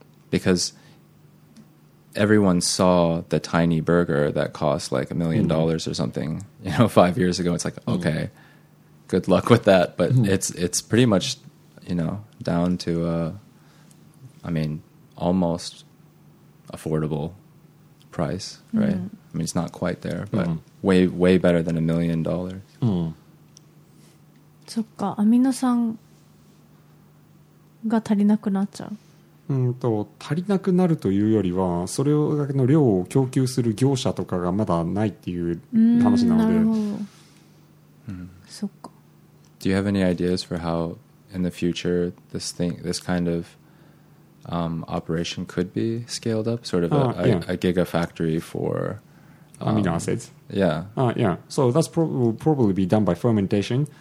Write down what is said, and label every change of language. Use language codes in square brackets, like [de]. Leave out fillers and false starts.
[en] Because everyone saw the tiny burger that cost like $1 million or something, you know, 5 years ago. It's like, okay, good luck with that. But it's pretty much, you know, down to, almost affordable price, right? I mean, it's not quite there, but way better than $1 million. [ja] そっか、アミノ酸が足りなくなっちゃう。足りなくなるというよりは、それだけの量を供給する業者とかがまだないっていう話なので。なるほど。そっか。 [en] Do you have any ideas for how in the future this kind of operation could be scaled up, sort of a gigafactory for amino acids. Yeah. So that's probably be done by fermentation.